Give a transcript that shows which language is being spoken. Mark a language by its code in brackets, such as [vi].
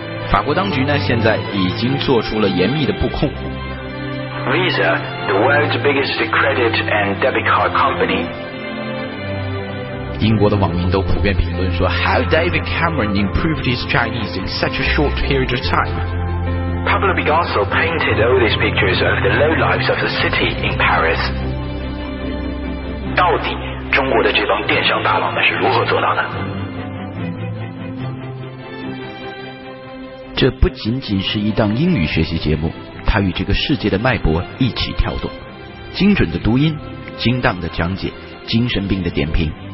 [zh] 法国当局呢，现在已经做出了严密的布控。 [en] Visa, the world's biggest credit and debit card company. [zh] 英国的网民都普遍评论说 [en] ，How David Cameron improved his Chinese in such a short period of time? Pablo Picasso painted all these pictures of the low lives of the city in Paris. [zh] 到底中国的这帮电商大佬们是如何做到的？这不仅仅是一档英语学习节目。他与这个世界的脉搏一起跳动，精准的读音，精当的讲解，精神病的点评。